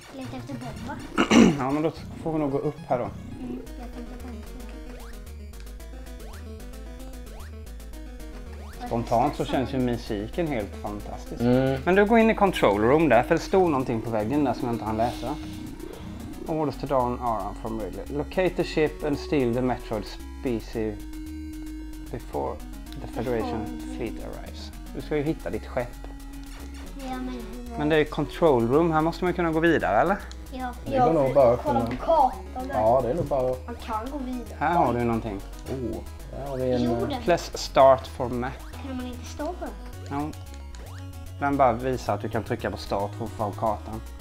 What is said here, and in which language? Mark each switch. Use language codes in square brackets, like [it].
[sv] Leta efter bomba. Ja, men då får vi nog gå upp här då. Mm, jag tänkte på spontant så känns ju musiken helt fantastisk. Mm. Men du går in i control room där, för det stod någonting på väggen där som jag inte hann läsa. [en] Orders to Darn Aron from Ridley. Locate the ship and steal the Metroid species before the Federation fleet arrives. [sv] Du ska ju hitta ditt skepp. Ja, men det är ju control room, här måste man kunna gå vidare eller? Ja, det är nog bara att kolla på kartan. Ja, det är nog bara... Man kan gå vidare. Här har du någonting. Oh. [en] Plus start for map. [sv] Kan man inte stå på? Ja. Den bara visar att du kan trycka på start för att få av kartan.